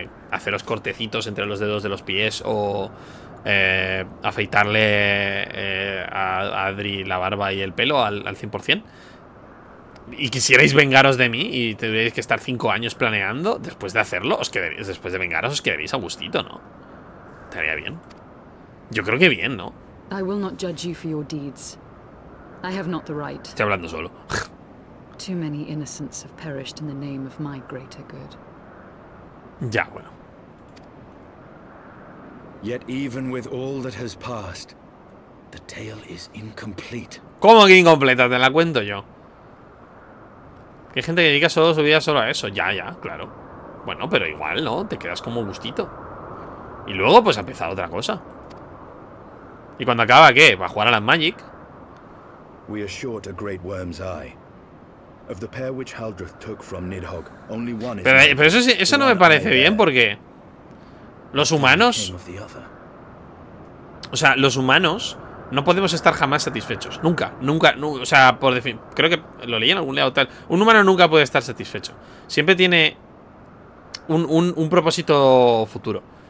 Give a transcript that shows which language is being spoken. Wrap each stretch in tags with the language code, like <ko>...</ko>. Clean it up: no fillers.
<es>haceros cortecitos entre los dedos de los pies o afeitarle a Adri la barba y el pelo al 100%. Y quisierais vengaros de mí y tendréis que estar 5 años planeando, después de hacerlo, después de vengaros, os quedaréis a gustito, ¿no? Estaría bien. Yo creo que bien, ¿no?</es> <en>I will not judge you for your deeds. I have not the right.</en> <es>Estoy hablando solo.</es> <en>Too many innocents have perished in the name of my greater good.</en> <es>Ya, bueno.</es> <en>Yet even with all that has passed, the tale is incomplete.</en> <es>¿Cómo que incompleta? Te la cuento yo. Hay gente que dedica solo su vida solo a eso. Ya, ya, claro. Bueno, pero igual, ¿no? Te quedas como gustito. Y luego, pues, ha empezado otra cosa. ¿Y cuando acaba, qué? ¿Va a jugar a las Magic?</es> <en>We are short a great worm's eye. Of the pair which Haldreth took from Nidhogg, only one is...</en> <es>Pero eso, eso no me parece bien, porque... Los humanos... O sea, los humanos... No podemos estar jamás satisfechos. Nunca, nunca, nunca. O sea, por definición. Creo que lo leí en algún lado tal. Un humano nunca puede estar satisfecho. Siempre tiene un propósito futuro.</es>